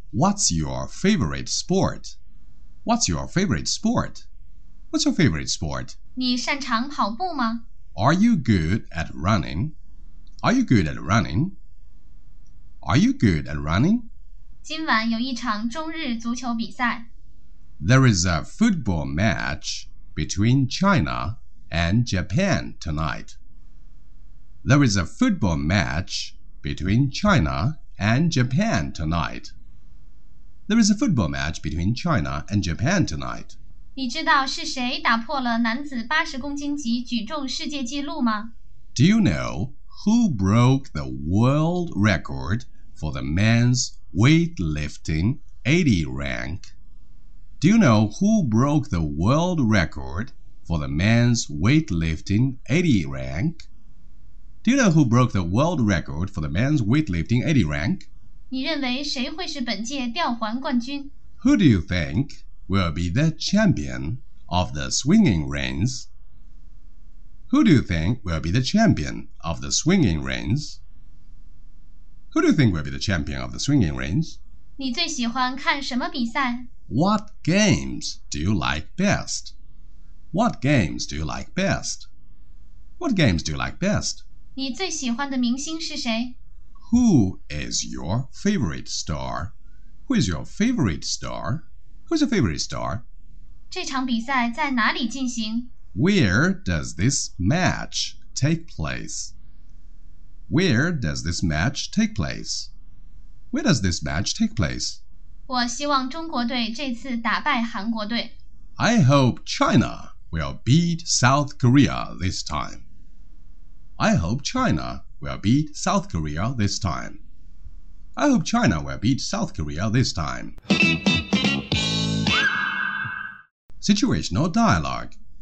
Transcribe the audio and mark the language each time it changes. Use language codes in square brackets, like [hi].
[en] What's your favorite sport? What's your favorite sport? What's your favorite sport? [zh] 你擅长跑步吗？ [en] Are you good at running? Are you good at running? Are you good at running? [zh] 今晚有一场中日足球比赛。 [en] There is a football match between China and Japan tonight. There is a football match between China and Japan tonight. There is a football match between China and Japan tonight. [zh] 你知道是谁打破了男子80公斤级举重世界纪录吗？ [en] Do you know who broke the world record for the men's weightlifting 80 rank? Do you know who broke the world record for the men's weightlifting 80 rank? Do you know who broke the world record for the men's weightlifting 80 rank? [zh] 你认为谁会是本届吊环冠军？ [en] Who do you think will be the champion of the swinging rings? Who do you think will be the champion of the swinging rings? Who do you think will be the champion of the swinging rings? [zh] 你最喜欢看什么比赛？ [en] What games do you like best? What games do you like best? What games do you like best? [zh] 你最喜欢的明星是谁？ [en] Who is your favorite star? Who is your favorite star? Who's your favorite star? [zh] 这场比赛在哪里进行？ [en] Where does this match take place? Where does this match take place? Where does this match take place? [zh] 我希望中国队这次打败韩国队。 [en] I hope China will beat South Korea this time. I hope China will beat South Korea this time. I hope China will beat South Korea this time. Situational dialogue.